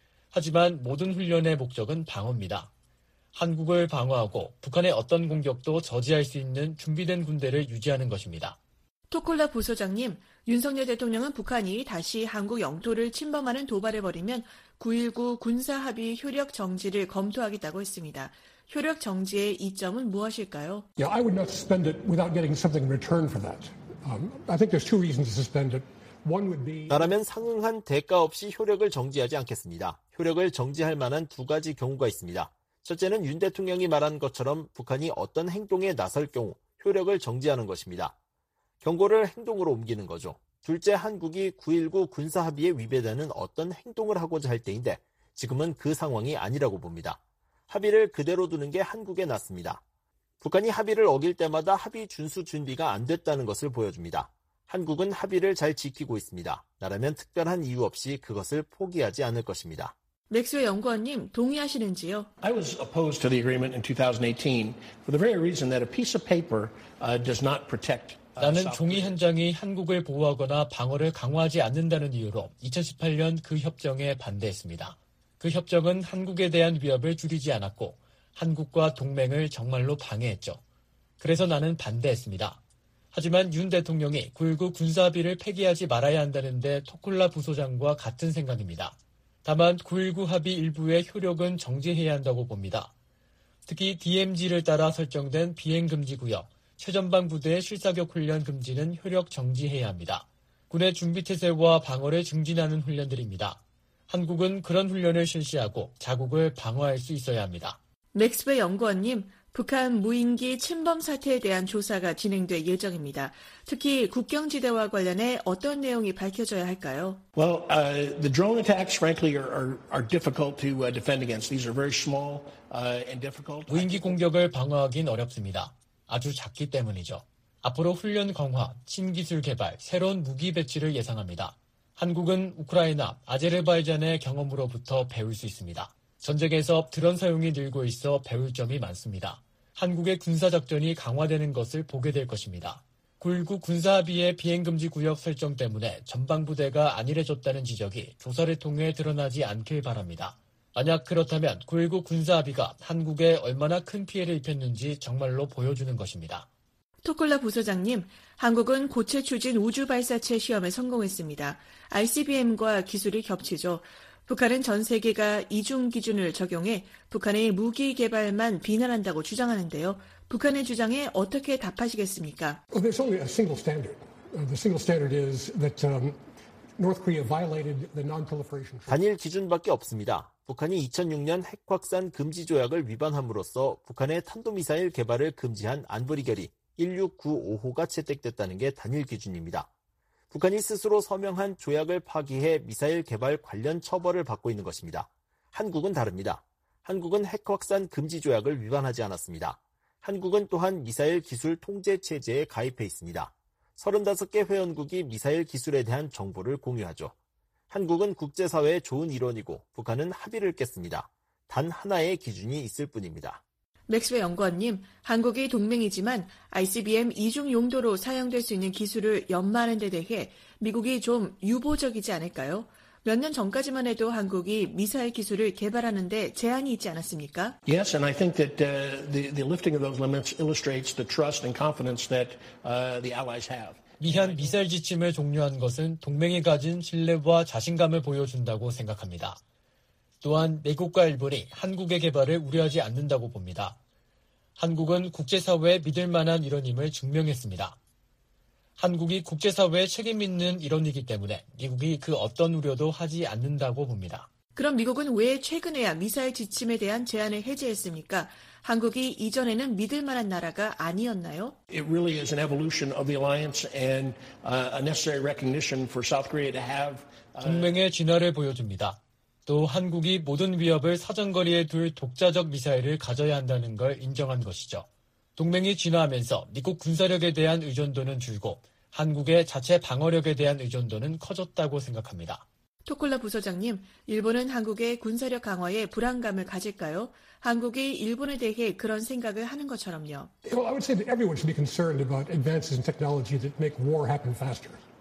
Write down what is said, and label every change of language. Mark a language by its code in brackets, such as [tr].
[ko] 하지만 모든 훈련의 목적은 방어입니다. 한국을 방어하고 북한의 어떤 공격도 저지할 수 있는 준비된 군대를 유지하는 것입니다. 토콜라 부소장님, 윤석열 대통령은 북한이 다시 한국 영토를 침범하는 도발을 벌이면 9.19 군사합의 효력 정지를 검토하겠다고 했습니다. 효력 정지의 이점은 무엇일까요? [en] Yeah, I would not suspend it without getting something in return for that. I think there's two reasons to suspend it. One would be [ko] 나라면 상응한 대가 없이 효력을 정지하지 않겠습니다. 효력을 정지할 만한 두 가지 경우가 있습니다. 첫째는 윤 대통령이 말한 것처럼 북한이 어떤 행동에 나설 경우 효력을 정지하는 것입니다. 경고를 행동으로 옮기는 거죠. 둘째, 한국이 9.19 군사 합의에 위배되는 어떤 행동을 하고자 할 때인데 지금은 그 상황이 아니라고 봅니다. 합의를 그대로 두는 게 한국에 낫습니다. 북한이 합의를 어길 때마다 합의 준수 준비가 안 됐다는 것을 보여줍니다. 한국은 합의를 잘 지키고 있습니다. 나라면 특별한 이유 없이 그것을 포기하지 않을 것입니다. 맥스웰 연구원님, 동의하시는지요? [en] I was opposed to the agreement in 2018 for the very reason that a piece of paper does not protect [ko] 나는 종이 한 장이 한국을 보호하거나 방어를 강화하지 않는다는 이유로 2018년 그 협정에 반대했습니다. 그 협정은 한국에 대한 위협을 줄이지 않았고 한국과 동맹을 정말로 방해했죠. 그래서 나는 반대했습니다. 하지만 윤 대통령이 9.19 군사비를 폐기하지 말아야 한다는데 토콜라 부소장과 같은 생각입니다. 다만 9.19 합의 일부의 효력은 정지해야 한다고 봅니다. 특히 DMZ를 따라 설정된 비행금지구역, 최전방 부대의 실사격 훈련 금지는 효력 정지해야 합니다. 군의 준비태세와 방어를 증진하는 훈련들입니다. 한국은 그런 훈련을 실시하고 자국을 방어할 수 있어야 합니다. 맥스베 연구원님, 북한 무인기 침범 사태에 대한 조사가 진행될 예정입니다. 특히 국경지대와 관련해 어떤 내용이 밝혀져야 할까요? [en] Well, the drone attacks, frankly, are difficult to defend against. These are very small and difficult. [ko] 무인기 공격을 방어하기는 어렵습니다. 아주 작기 때문이죠. 앞으로 훈련 강화, 신기술 개발, 새로운 무기 배치를 예상합니다. 한국은 우크라이나, 아제르바이잔의 경험으로부터 배울 수 있습니다. 전쟁에서 드론 사용이 늘고 있어 배울 점이 많습니다. 한국의 군사작전이 강화되는 것을 보게 될 것입니다. 9.19 군사합의의 비행금지 구역 설정 때문에 전방부대가 안일해졌다는 지적이 조사를 통해 드러나지 않길 바랍니다. 만약 그렇다면 9.19 군사합의가 한국에 얼마나 큰 피해를 입혔는지 정말로 보여주는 것입니다. 토콜라 부소장님, 한국은 고체 추진 우주 발사체 시험에 성공했습니다. ICBM과 기술이 겹치죠. 북한은 전 세계가 이중 기준을 적용해 북한의 무기 개발만 비난한다고 주장하는데요. 북한의 주장에 어떻게 답하시겠습니까? [en] Well, there's only a single standard. The single standard is that North Korea violated the non-proliferation. [ko] 단일 기준밖에 없습니다. 북한이 2006년 핵확산 금지 조약을 위반함으로써 북한의 탄도미사일 개발을 금지한 안보리 결의 1695호가 채택됐다는 게 단일 기준입니다. 북한이 스스로 서명한 조약을 파기해 미사일 개발 관련 처벌을 받고 있는 것입니다. 한국은 다릅니다. 한국은 핵 확산 금지 조약을 위반하지 않았습니다. 한국은 또한 미사일 기술 통제 체제에 가입해 있습니다. 35개 회원국이 미사일 기술에 대한 정보를 공유하죠. 한국은 국제사회의 좋은 일원이고 북한은 합의를 깼습니다. 단 하나의 기준이 있을 뿐입니다. 맥스웨 연구원님, 한국이 동맹이지만 ICBM 이중 용도로 사용될 수 있는 기술을 연마하는 데 대해 미국이 좀 유보적이지 않을까요? 몇 년 전까지만 해도 한국이 미사일 기술을 개발하는 데 제한이 있지 않았습니까? [en] Yes, and I think that the lifting of those limits illustrates the trust and confidence that the allies have. [ko] 미한 미사일 지침을 종료한 것은 동맹이 가진 신뢰와 자신감을 보여준다고 생각합니다. 또한 미국과 일본이 한국의 개발을 우려하지 않는다고 봅니다. 한국은 국제사회에 믿을 만한 일원임을 증명했습니다. 한국이 국제사회에 책임 있는 일원이기 때문에 미국이 그 어떤 우려도 하지 않는다고 봅니다. 그럼 미국은 왜 최근에야 미사일 지침에 대한 제한을 해제했습니까? 한국이 이전에는 믿을 만한 나라가 아니었나요? [en] It really is an evolution of the alliance and a necessary recognition for South Korea to have [ko] 동맹의 진화를 보여줍니다. 또 한국이 모든 위협을 사정거리에 둘 독자적 미사일을 가져야 한다는 걸 인정한 것이죠. 동맹이 진화하면서 미국 군사력에 대한 의존도는 줄고 한국의 자체 방어력에 대한 의존도는 커졌다고 생각합니다. 토콜라 부소장님, 일본은 한국의 군사력 강화에 불안감을 가질까요? 한국이 일본에 대해 그런 생각을 하는 것처럼요. [en] Well, I would say that everyone should be concerned about advances in technology that make war happen faster.